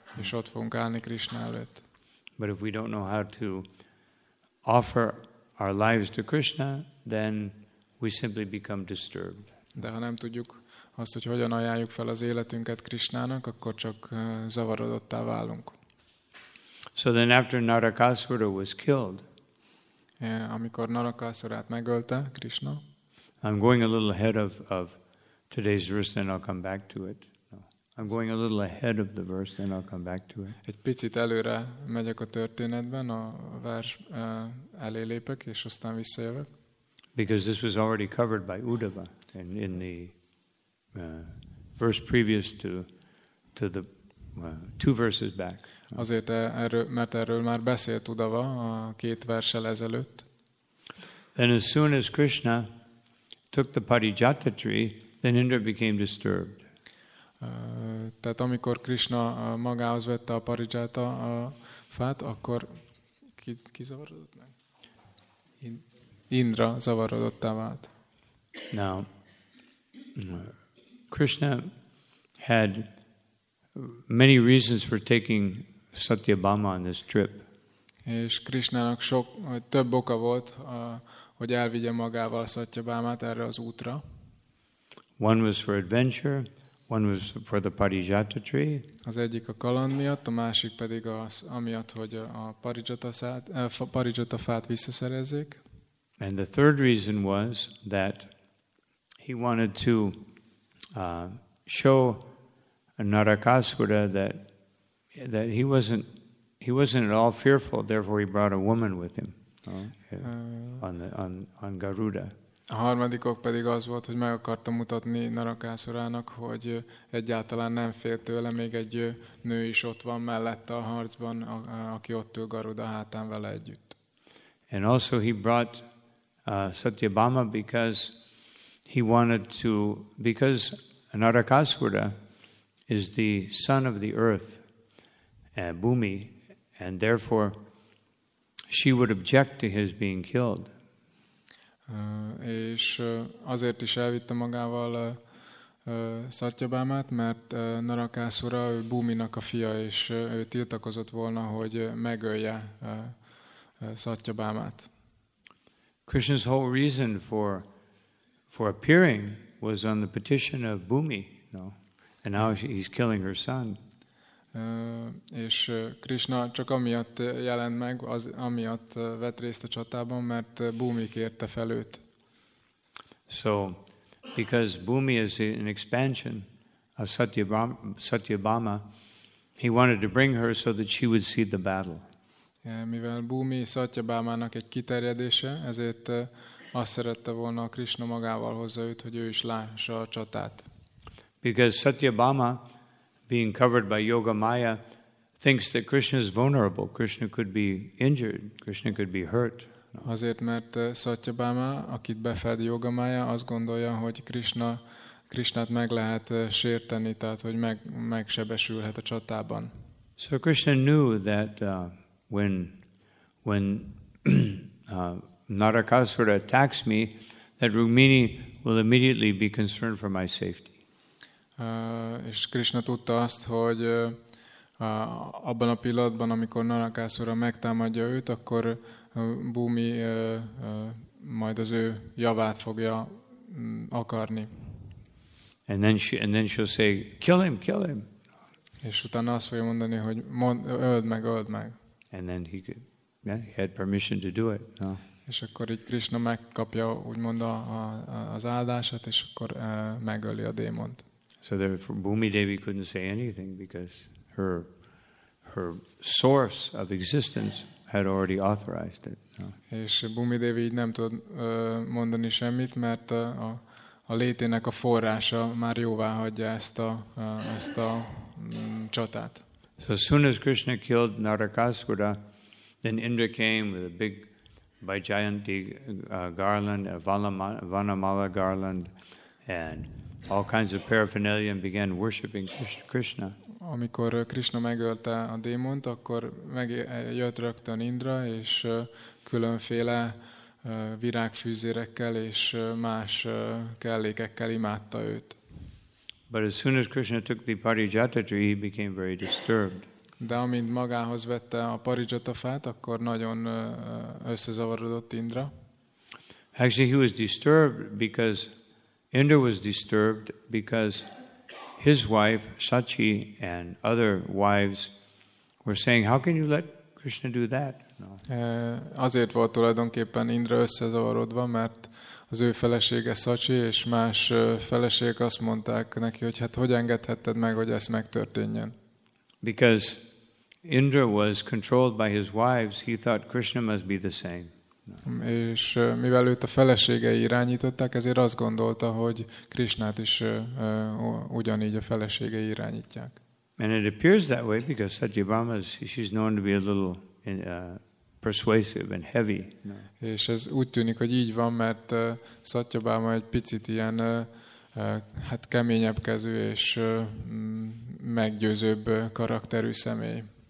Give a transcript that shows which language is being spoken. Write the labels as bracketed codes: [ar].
[hu] És ott fogunk állni Krishna előtt. [en] But if we don't know how to offer our lives to Krishna, then we simply become disturbed. [hu] De ha nem tudjuk azt, hogy hogyan ajánljuk fel az életünket Krishnának, akkor csak zavarodottá válunk. [en] So then after Narakasura was killed, [hu] amikor Narakasurát megölte Krishna, [en] I'm going a little ahead of today's verse, then I'll come back to it. I'm going a little ahead of the verse, then I'll come back to it. [hu] Egy picit előre megyek a történetben, a vers elé lépek, és aztán visszajövök. [en] Because this was already covered by Uddhava in the verse previous to the two verses back. [hu] Azért erről, mert erről már beszélt Uddhava a két verssel ezelőtt. [en] And as soon as Krishna took the Parijata tree, then Indra became disturbed. [hu] Tehát amikor Krishna magához vette a Parijata fát, akkor ki zavarodott meg? Indra zavarodottá vált. [en] Now, Krishna had many reasons for taking Satyabhama on this trip. [hu] És Krishnának sok, vagy több oka volt, hogy elvigye magával Satyabhamát erre az útra. [en] One was for adventure, one was for the Parijata tree. [hu] Az egyik a kaland miatt, a másik pedig az, amiatt, hogy a Parijata fát visszaszerezzék. [en] And the third reason was that he wanted to show Narakasura that he wasn't at all fearful, therefore he brought a woman with him on Garuda. [hu] A harmadik ok pedig az volt, hogy meg akartam mutatni Narakasurának, hogy egyáltalán nem fél tőle, még egy nő is ott van mellette a harcban, aki ott ül Garuda hátán vele együtt. [en] And also he brought Satyabhama because he wanted to, because Narakasura is the son of the earth, Bhumi, and therefore she would object to his being killed. [hu] És azért is elvitte magával Satyabhamát, mert Narakasura Bhuminak a fia, és ő tiltakozott volna, hogy megölje Satyabhamát. [en] Krishna's whole reason for appearing was on the petition of Bhumi, and now he's killing her son. [hu] És Krishna csak amiatt jelent meg, az amiatt vett részt a csatában, mert Bhumi kérte fel őt. [en] So, because Bhumi is an expansion of Satyabhama, he wanted to bring her so that she would see the battle. [hu] Mivel Bhumi Satyabhamának egy kiterjedése, ezért azt szerette volna a Krishna magával hozza őt, hogy ő is lássa a csatát. [en] Because Satyabhama, being covered by yoga maya, thinks that Krishna is vulnerable. Krishna could be injured. Krishna could be hurt. [hu] Azért, mert Satyabhama, akit befed yoga maya, azt gondolja, hogy Krishnát meg lehet sérteni, tehát hogy megsebesülhet a csatában. [en] So Krishna knew that when Narakasura attacks me, that Rukmini will immediately be concerned for my safety. [hu] És Krishna tudta azt, hogy abban a pillanatban, amikor Narakasura megtámadja őt, akkor Bhumi majd az ő javát fogja akarni. [en] And then she'll say, kill him, kill him. [hu] És utána azt fogja mondani, hogy öld meg. [en] And then he could, he had permission to do it. No? [hu] És akkor így Krishna megkapja, úgymond az áldását, és akkor megöli a démont. [en] So therefore, Bhumi Devi couldn't say anything because her source of existence had already authorized it. [hu] És Bhumi Devi így nem tud mondani semmit, mert a létének a forrása már jóvá hagyja ezt a csatát. [en] So as soon as Krishna killed Narakasura, then Indra came with a big Vaijayanti garland, a Vanamala garland, and all kinds of paraphernalia and began worshipping Krishna. [hu] Amikor Krishna megölte a démont, akkor megjött rögtön Indra, és különféle virágfűzérekkel és más kellékekkel imádta őt. [en] But as soon as Krishna took the Parijata tree, he became very disturbed. [hu] De amint magához vette a Parijata fát, akkor nagyon összezavarodott Indra. [en] Actually, he was disturbed because Indra was disturbed because his wife Sachi and other wives were saying, "How can you let Krishna do that?" [hu] Azért volt tulajdonképpen Indra összezavarodva, mert az ő felesége Szacsi, és más feleségek azt mondták neki, hogy hát hogy engedhetted meg, hogy ez megtörténjen. [en] Because Indra was controlled by his wives, he thought Krishna must be the same. [hu] És mivel őt a feleségei irányították, ezért azt gondolta, hogy Krishnát is ugyanígy a feleségei irányítják. [en] And it appears that way because Satyabhama, she's known to be a little persuasive and heavy. [hu] És ez úgy tűnik, hogy így van, mert Satyabhama egy picit ilyen hát keményebb kezű és meggyőzőbb karakterű személy.